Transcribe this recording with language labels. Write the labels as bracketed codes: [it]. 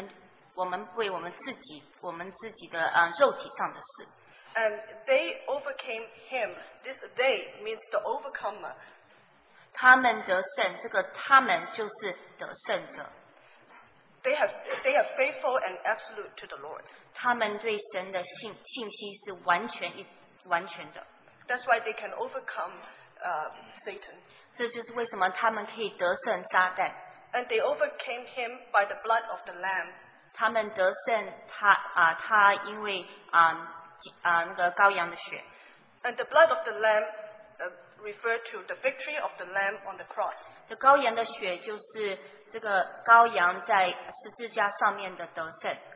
[zh] 那另外一方面呢，说这个死是我们为我们自己的 肉体上的死。 [en] And they overcame him. This they means the overcomer. [zh] 他们得胜，这个他们就是得胜者。 [en] They are faithful and absolute to the Lord. [zh] 他们对神的信心是完全的。 [en] That's why they can overcome Satan. [zh] 这就是为什么他们可以得胜撒旦。 [en] And they overcame him by the blood of the Lamb. [zh] 他们得胜他因为那个羔羊的血。 [en] And the blood of the Lamb referred to the victory of the Lamb on the cross. [zh] 羔羊的血就是这个羔羊在十字架上面的得胜。